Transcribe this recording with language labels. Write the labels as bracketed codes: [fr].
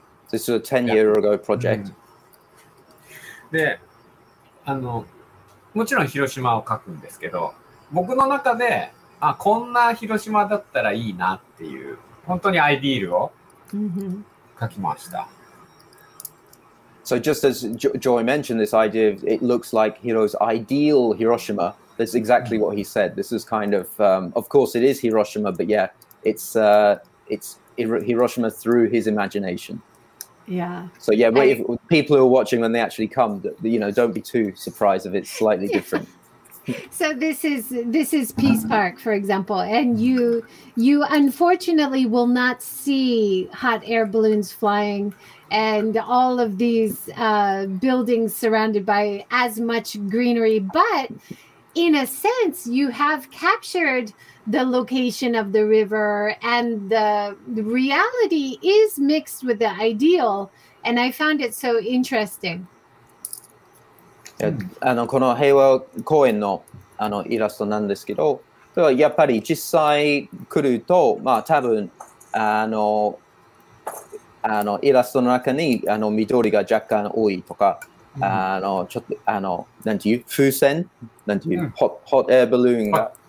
[en] This is a 10-year ago project. [ja] で、あの、もちろん広島を描くんですけど、僕の中で、あ、こんな広島だったらいいなっていう、本当にアイディールを描きました。 [en] So just as Joy mentioned this idea of it looks like Hiro's ideal Hiroshima, that's exactly what he said. This is kind of course it is Hiroshima, but yeah, it's Hiroshima through his imagination. Yeah. So yeah, but if people who are watching when they actually come, you know, don't be too surprised if it's slightly different. So this is Peace Park, for example, and you unfortunately will not see hot air balloons flying and all of these buildings surrounded by as much greenery. But in a sense, you have captured the location of the river, and the reality is mixed with the ideal, and I found it so interesting. [ja] あのこの平和公園のあのイラストなんですけど、やっぱり実際来るとまあ多分あのイラストの中にあの緑が若干多いとか、あのちょっとあのなんていう風船なんていう、hot air balloon が。